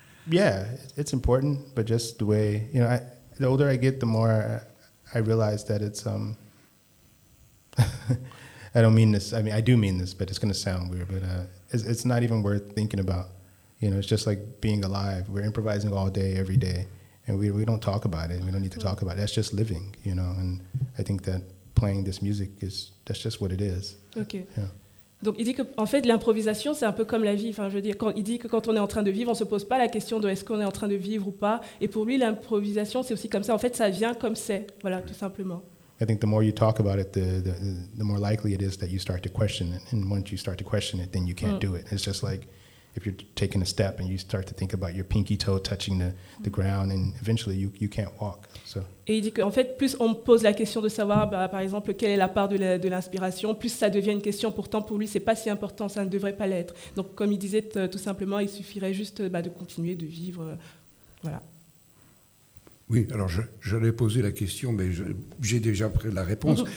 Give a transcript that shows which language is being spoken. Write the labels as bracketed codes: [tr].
[en] Yeah, it's important, but just the way, you know, the older I get, the more I realize that it's, I don't mean this, I mean, I do mean this, but it's going to sound weird, but it's not even worth thinking about. You know, it's just like being alive. We're improvising all day, every day, and we don't talk about it. We don't need to talk about it. That's just living, you know, and I think that playing this music, that's just what it is. Okay. Yeah. [fr] Donc il dit que en fait l'improvisation c'est un peu comme la vie. Enfin je veux dire quand il dit que quand on est en train de vivre on se pose pas la question de est-ce qu'on est en train de vivre ou pas. Et pour lui l'improvisation c'est aussi comme ça. En fait ça vient comme c'est. Voilà tout simplement. [en] I think the more you talk about it, the more likely it is that you start to question it. And once you start to question it, then you can't do it. It's just like if you're taking a step and you start to think about your pinky toe touching the ground, and eventually you can't walk. So. [fr] Et il dit qu'en fait, plus on pose la question de savoir, bah, par exemple, quelle est la part de l'inspiration, plus ça devient une question. Pourtant, pour lui, c'est pas si important, ça ne devrait pas l'être. Donc, comme il disait tout simplement, il suffirait juste bah, de continuer de vivre, voilà. Oui, alors je l'ai posé la question, mais j'ai déjà pris la réponse.